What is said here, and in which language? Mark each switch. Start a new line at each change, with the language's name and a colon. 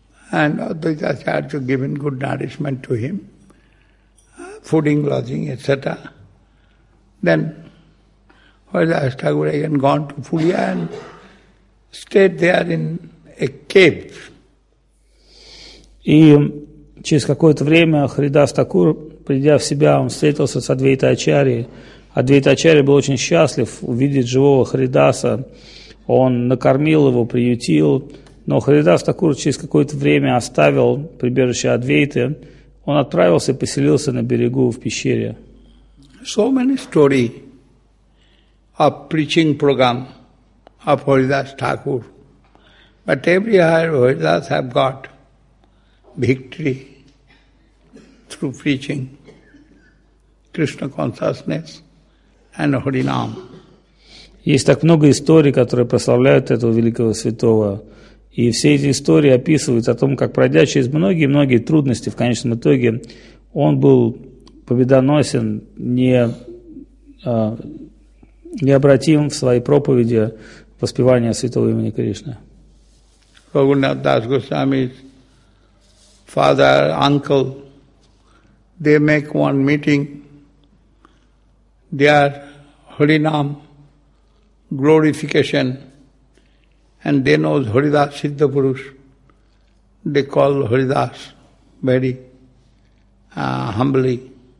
English: And Advaita Acharya given good nourishment to him, fooding, lodging, etc. Then Haridas Thakur again gone to Puliya and stayed there in a cave.
Russian: И через какое-то время Харидас Такур, придя в себя, он встретился с Адвайтой Ачарьей. Адвайта Ачарья был очень счастлив увидеть живого Харидаса. Он накормил его, приютил. Но Харидас Такур через какое-то время оставил прибежище Адвейты. Он отправился и поселился на берегу в пещере.
English: So many stories of preaching program of Haridas Thakur. But every year Haridas have got victory through preaching Krishna consciousness and Harinam.
Russian: Есть так много историй, которые прославляют этого великого святого. И все эти истории описывают о том, как, пройдя через многие-многие трудности, в конечном итоге он был победоносен, необратим в своей проповеди воспевания святого имени Кришны.
English: Рагунат Дас Госвами, father, uncle, they make one meeting, their Haridas glorification. And they know Haridas Siddha Purush. They call Haridas very humbly.